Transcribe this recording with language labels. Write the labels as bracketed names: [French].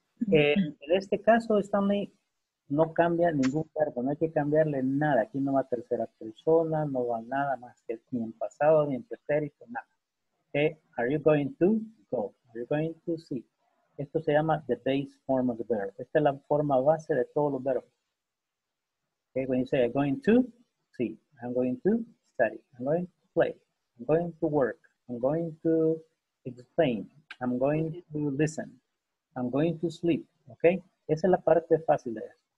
[Spanish] En este caso, Stanley, no cambia ningún verbo, no hay que cambiarle nada. Aquí no va tercera persona, no va nada más que ni en pasado, ni en pretérito, nada. [English] Okay. Are you going to go? Are you going to see? [Spanish] Esto se llama [English] the base form of the verb. [Spanish] Esta es la forma base de todos los verbos. [English] Okay, when you say I'm going to, [Spanish] sí, [English] I'm going to study, I'm going to play, I'm going to work, I'm going to explain, I'm going to listen, I'm going to sleep. [Spanish] Okay, esa es la parte fácil de eso.